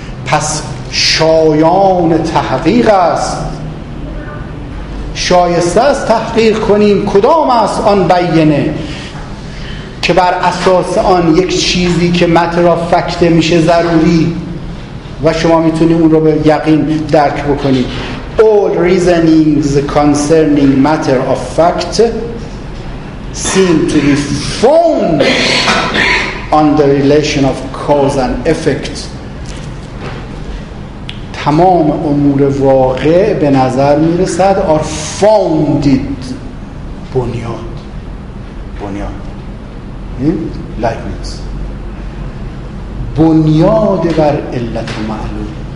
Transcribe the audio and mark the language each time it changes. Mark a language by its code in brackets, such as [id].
[fa] پس شایان تحقیق است، شایسته است تحقیق کنیم کدام است آن بیانه که بر اساس آن یک چیزی که [en] matter of fact [fa] میشه ضروری و شما میتونید اون رو به یقین درک بکنید. [en] All reasonings concerning matter of fact seem to be founded on the relation of cause and effect. [fa] تمام امور واقع به نظر میرسد [en] are founded، [fa] بنیاد Leibniz، بنیاد بر علت معلول.